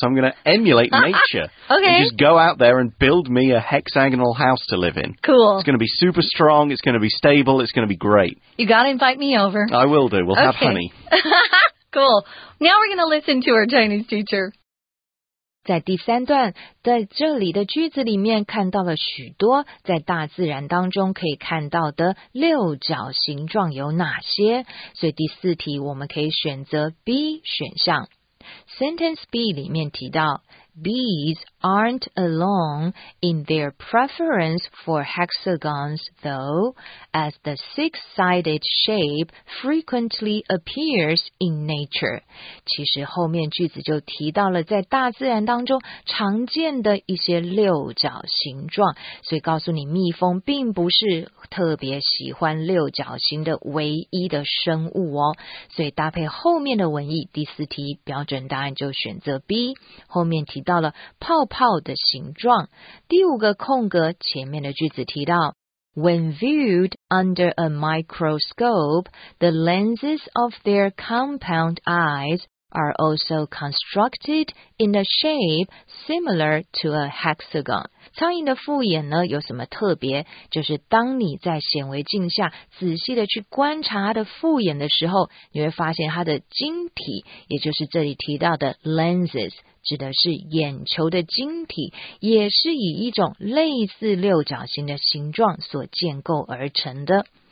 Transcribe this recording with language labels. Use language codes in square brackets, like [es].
[en] I'm going to emulate nature. Okay. And just go out there and build me a hexagonal house to live in. Cool. It's going to be super strong. It's going to be stable. It's going to be great. You got to invite me over. I will do. We'll have honey. Cool. Now we're going to listen to our Chinese teacher. [zh] 在第三段，在这里的句子里面看到了许多在大自然当中可以看到的六角形状有哪些？所以第四题我们可以选择 B 选项。 [en] Sentence B 里面提到，Bees aren't alone in their preference for hexagons, though, as the six-sided shape frequently appears in nature. [zh] 其实后面句子就提到了在大自然当中常见的一些六角形状，所以告诉你，蜜蜂并不是特别喜欢六角形的唯一的生物哦。所以搭配后面的文意，第四题标准答案就选择 B。后面提到了泡泡的形状。 [en] 第五个空格，前面的句子提到，When viewed under a microscope, the lenses of their compound eyes are also constructed in a shape similar to a hexagon. [zh] 苍蝇的复眼呢有什么特别？就是当你在显微镜下仔细的去观察它的复眼的时候，你会发现它的晶体，也就是这里提到的 lenses， 指的是眼球的晶体，也是以一种类似六角形的形状所建构而成的。